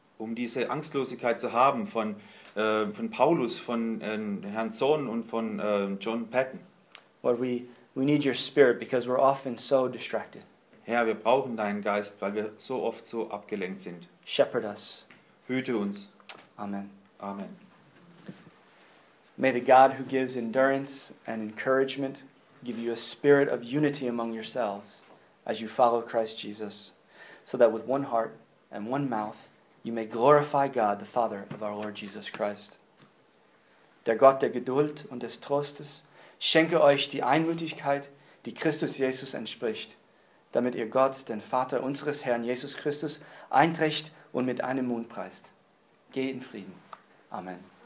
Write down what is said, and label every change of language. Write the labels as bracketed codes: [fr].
[de] Um diese Angstlosigkeit zu haben von Paulus, von Herrn Tsan und von John Patton. [en] Lord, we need your spirit because we're often so distracted. [de] Herr, wir brauchen deinen Geist, weil wir so oft so abgelenkt sind. [en] Shepherd us. [de] Hüte uns. [en] Amen. [de] Amen. [en] May the God who gives endurance and encouragement give you a spirit of unity among yourselves as you follow Christ Jesus, so that with one heart and one mouth you may glorify God, the Father of our Lord Jesus Christ. [de] Der Gott der Geduld und des Trostes schenke euch die Einmütigkeit, die Christus Jesus entspricht, damit ihr Gott, den Vater unseres Herrn Jesus Christus, einträcht und mit einem Mund preist. Geh in Frieden. Amen.